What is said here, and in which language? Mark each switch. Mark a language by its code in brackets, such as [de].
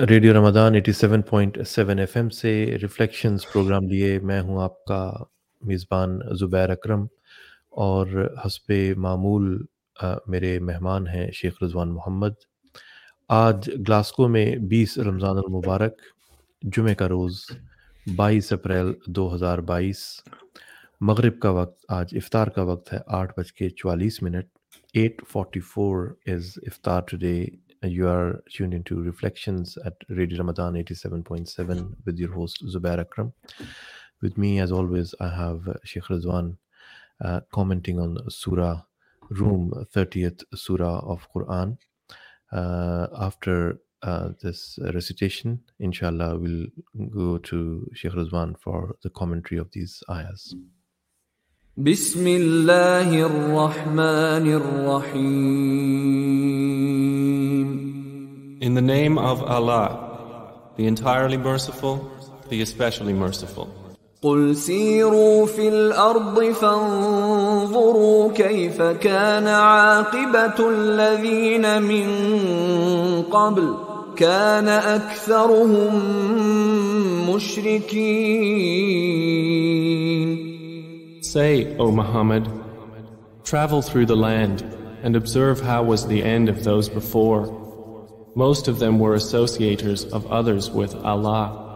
[ur] Radio رمضان 87.7 F M سے reflections programme لیے میں ہوں آپ کا میزبان زبیر اکرم, اور حسب معمول میرے مہمان ہیں شیخ رضوان محمد. آج گلاسکو میں 20 رمضان المبارک, جمعہ کا روز 22 اپریل 2022, مغرب کا وقت. آج افطار کا وقت ہے 8:44, 8:44 [en] Is iftar today. You are tuned into Reflections at Radio Ramadan 87.7 with your host Zubair Akram. With me, as always, I have Sheikh Rizwan commenting on Surah Rum, 30th Surah of Quran. After this recitation, inshallah, we'll go to Sheikh Rizwan for the commentary of these ayahs. [ar] بسم الله الرحمن الرحيم. [en] In the name of Allah, the entirely merciful, the especially merciful. [ar] قل سيروا في الأرض فانظروا كيف كان عاقبة الذين من قبل كان أكثرهم مشركين. [en] Say, O Muhammad, travel through the land and observe how was the end of those before. Most of them were associators of others with Allah.